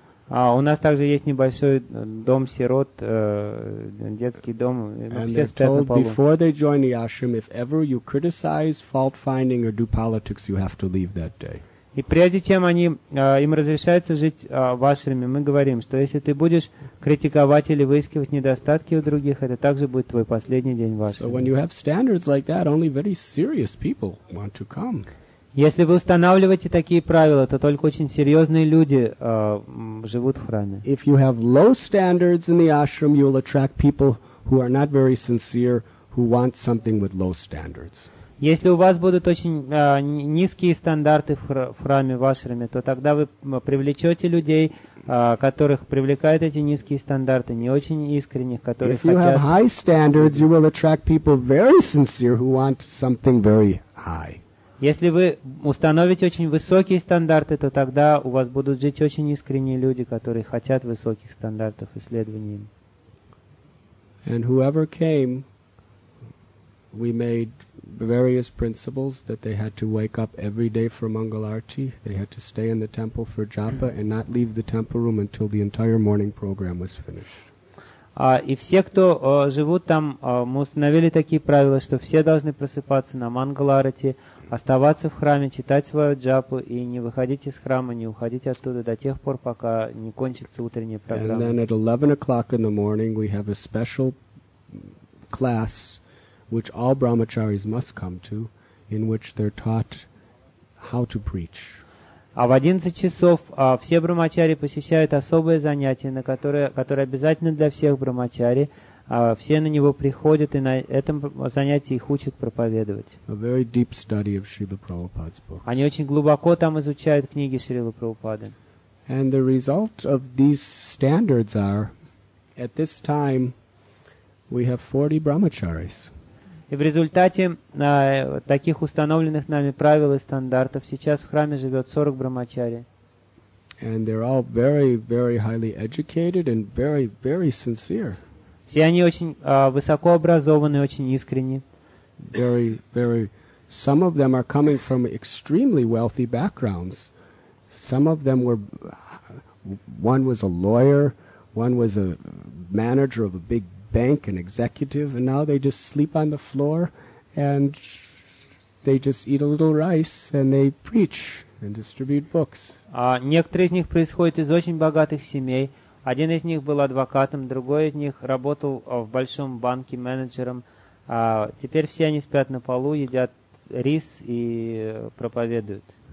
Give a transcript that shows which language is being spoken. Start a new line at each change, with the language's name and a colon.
Russian: А у нас также есть небольшой дом сирот, детский дом, все спят на полу.
English: And before they join the ashram, if ever you criticize fault finding or do politics, you have to leave that day.
Russian: И прежде чем они им разрешается жить в ашраме, мы говорим, что если ты будешь критиковать или выискивать недостатки у других, это также будет твой последний день в ашраме.
English: So when you have standards like that, only very serious people want to come.
Russian: Если вы устанавливаете такие правила, то только очень серьезные люди живут в храме.
English: If you have low standards in the ashram, you will attract people who are not very sincere, who want something with low standards.
Russian: Если у вас будут очень низкие стандарты в храме, в ашраме, то тогда вы привлечете людей, которых привлекают эти низкие стандарты, не очень искренних, которые хотят...
English: If you have high standards, you will attract people very sincere, who want something very high.
Russian: Если вы установите очень высокие стандарты, то тогда у вас будут жить очень искренние люди, которые хотят высоких стандартов исследований.
English: And whoever came, we made various principles that they had to wake up every day for Mangal Arati, they had to stay in the temple for Japa and not leave the temple room until the entire morning program was finished.
Russian: И все, кто живут там, мы установили такие правила, что все должны просыпаться на Мангаларати, оставаться в храме, читать свою джапу и не выходить из храма, не уходить оттуда до тех пор, пока не кончится утренняя программа.
English: And then at 11 o'clock in the morning we have a special class, which all brahmacharis must come to, in which they're taught how to preach.
Russian: А в 11 часов все брахмачари посещают особое занятие, которое обязательно для всех брахмачари. Все на него приходят, и на этом занятии их учат проповедовать.
English: A very deep study of Srila Prabhupada's books.
Russian: Они очень глубоко там изучают книги Шрилы Прабхупады.
English: And the result of these standards are, at this time, we have 40 brahmacharis.
Russian: И в результате таких установленных нами правил и стандартов сейчас в храме живет 40 брахмачари.
English: And they're all very, very highly educated and very, very sincere.
Russian: Все они очень высоко образованы, очень искренни.
English: Very, very. Some of them are coming from extremely wealthy backgrounds. Some of them were. One was a lawyer. One was a manager of a big bank, an executive, and now they just sleep on the floor and they just eat a little rice and they preach and distribute books.
Russian: Некоторые из них происходят из очень богатых семей. Один из них был адвокатом, другой из них работал в большом банке менеджером. Теперь все они спят на полу, едят рис и проповедуют.